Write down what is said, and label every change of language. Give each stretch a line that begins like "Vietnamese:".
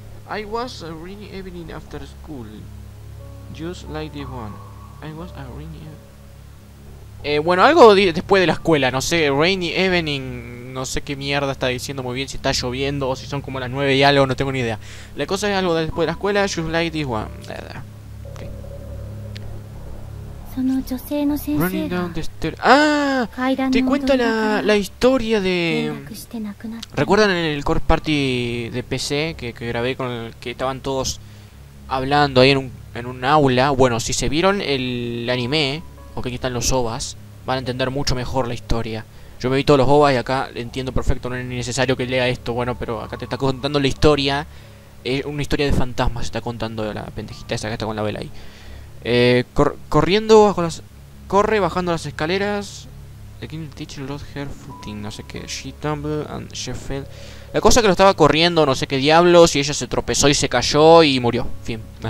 English: I was a rainy evening after school. Just like this one. I was a rainy...
Spanish: bueno, algo después de la escuela. No sé,
English: rainy evening...
Spanish: No sé qué mierda está diciendo muy bien. Si está lloviendo o si son como las 9 y algo. No tengo ni idea. La cosa es algo de después de la escuela.
English: Just like this one. Running down the stairs.
Spanish: ¡Ah! Te cuento la historia de... ¿Recuerdan en el Core Party de PC que grabé con el que estaban todos hablando ahí en un aula? Bueno, si se vieron el anime, o que aquí están los OVAs, van a entender mucho mejor la historia. Yo me vi todos los OVAs y acá entiendo perfecto, no es necesario que lea esto, bueno, pero acá te está contando la historia. Es una historia de fantasmas, se está contando la pendejita esa que está con la vela ahí. Corriendo bajo las... Corre bajando las escaleras.
English: The King Teacher lost her footing.
Spanish: No sé qué.
English: She tumbled and she fell.
Spanish: La cosa es que lo estaba corriendo, no sé qué diablos. Y ella se tropezó y se cayó y murió. Fin.